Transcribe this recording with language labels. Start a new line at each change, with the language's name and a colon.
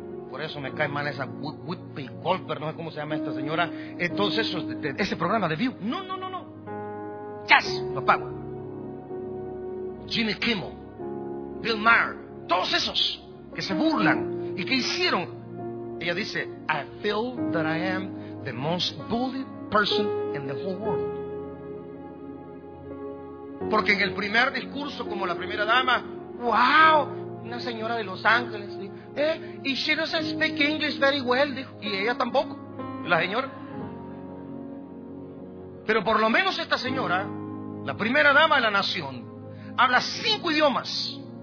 Spanish: Por eso me cae mal esa Whoopi Goldberg, no sé cómo se llama esta señora. Entonces, ese programa de View. No. Yes, lo pago. Jimmy Kimmel, Bill Maher, todos esos que se burlan y que hicieron. Ella dice,
English: I feel that I am the most bullied person in the whole world.
Spanish: Porque en el primer discurso, como la primera dama, wow, una señora de Los Ángeles, y
English: she doesn't speak English very well,
Spanish: dijo, y ella tampoco, la señora. Pero por lo menos esta señora, la primera dama de la nación, habla 5 idiomas.